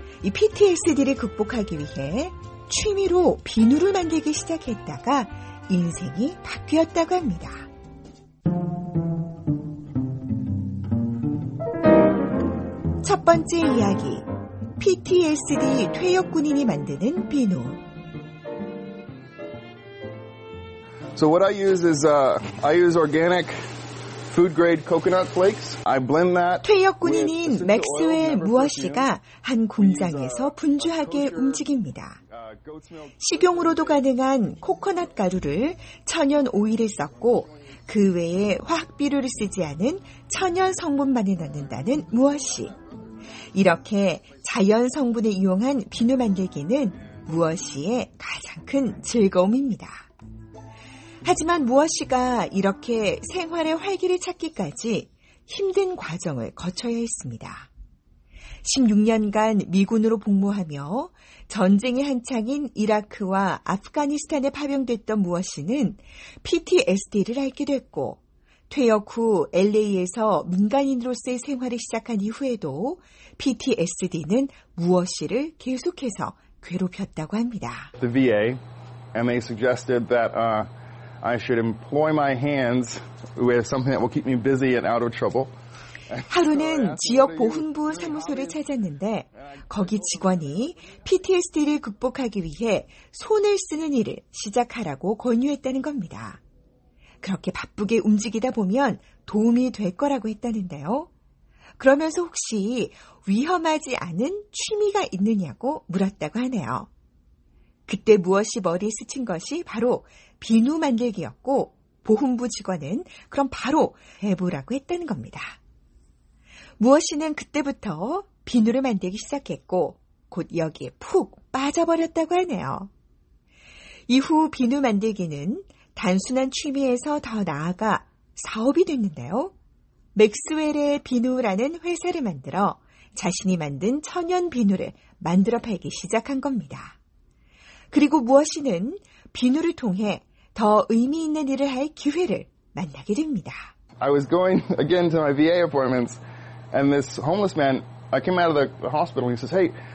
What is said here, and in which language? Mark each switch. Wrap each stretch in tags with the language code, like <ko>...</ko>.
<ko>이 PTSD를 극복하기 위해 취미로 비누를 만들기 시작했다가 인생이 바뀌었다고 합니다. 첫 번째 이야기, PTSD 퇴역 군인이 만드는 비누.</ko> <en>So what I use is I use organic food grade coconut flakes. I blend that.</en> <ko>퇴역 군인인 맥스웰 무어시가 한 공장에서 분주하게 움직입니다. 식용으로도 가능한 코코넛 가루를 천연 오일에 섞고 그 외에 화학 비료를 쓰지 않은 천연 성분만을 넣는다는 무어시. 이렇게 자연 성분을 이용한 비누 만들기는 무어시의 가장 큰 즐거움입니다. 하지만 무어시가 이렇게 생활의 활기를 찾기까지 힘든 과정을 거쳐야 했습니다. 16년간 미군으로 복무하며 전쟁의 한창인 이라크와 아프가니스탄에 파병됐던 무어시는 PTSD를 앓게 됐고 퇴역 후 LA에서 민간인으로서의 생활을 시작한 이후에도 PTSD는 무어시를 계속해서 괴롭혔다고 합니다.</ko> <en>The VA, and they suggested that I should employ my hands with something that will keep me busy and out of trouble.</en> <ko>하루는 지역 보훈부 사무소를 찾았는데 거기 직원이 PTSD를 극복하기 위해 손을 쓰는 일을 시작하라고 권유했다는 겁니다. 그렇게 바쁘게 움직이다 보면 도움이 될 거라고 했다는데요. 그러면서 혹시 위험하지 않은 취미가 있느냐고 물었다고 하네요. 그때 무엇이 머리에 스친 것이 바로 비누 만들기였고 보훈부 직원은 그럼 바로 해보라고 했다는 겁니다. 무엇이는 그때부터 비누를 만들기 시작했고 곧 여기에 푹 빠져버렸다고 하네요. 이후 비누 만들기는 단순한 취미에서 더 나아가 사업이 됐는데요. 맥스웰의 비누라는 회사를 만들어 자신이 만든 천연 비누를 만들어 팔기 시작한 겁니다. 그리고 무엇이는 비누를 통해 더 의미 있는 일을 할 기회를 만나게 됩니다.</ko> <en>I was going again to my VA appointments and this homeless man, I came out of the hospital and he says, hey,</en>